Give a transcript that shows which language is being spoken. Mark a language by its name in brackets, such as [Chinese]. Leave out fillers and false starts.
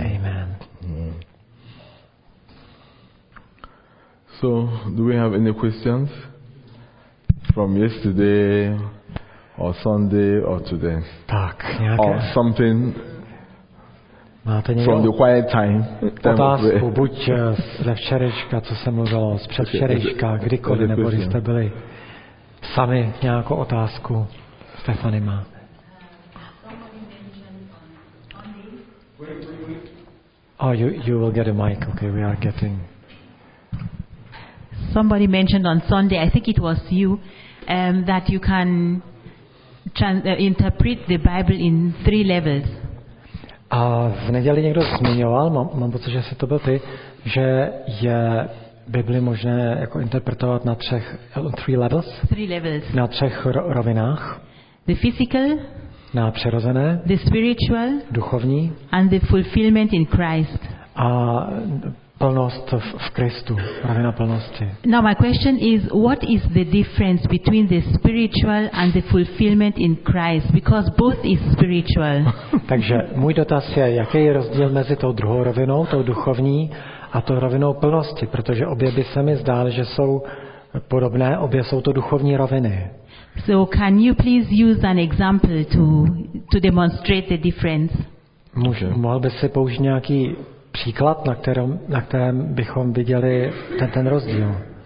[English] Amen. Amen. So, do we have any questions from yesterday or Sunday or today? [Czech] Tak, [English] or something from the quiet time. [Czech] Otázku, buď ze včerejška, co se mluvilo, z předvčerejška, kdykoliv, nebo když jste byli sami, nějakou otázku Stefany má. [English] Oh, you will get a mic. Okay, we are getting. Somebody mentioned on Sunday, I think it was you, that you can interpret the Bible in three levels. [Czech] A v neděli někdo zmiňoval, mám pocit, že jsi to byl ty, že je Bibli možné jako interpretovat na třech [English] three levels. [Czech] Na třech rovinách. [English] The physical, [Czech] na přirozené, [English] the spiritual, [Czech] duchovní, [English] and the fulfillment in Christ. [Czech] A plnost v Kristu, rovina plnosti. [English] Now my question is, what is the difference between the spiritual and the fulfillment in Christ? Because both is spiritual. [Czech] Takže můj dotaz je, jaký je rozdíl mezi tou druhou rovinou, tou duchovní, a to rovinou plnosti, protože obě by se mi zdály, že jsou podobné, obě jsou to duchovní roviny. [English] So can you please use an example to demonstrate the difference? [Czech] Může. Mohl bys si použít nějaký příklad, na kterém bychom viděli ten rozdíl?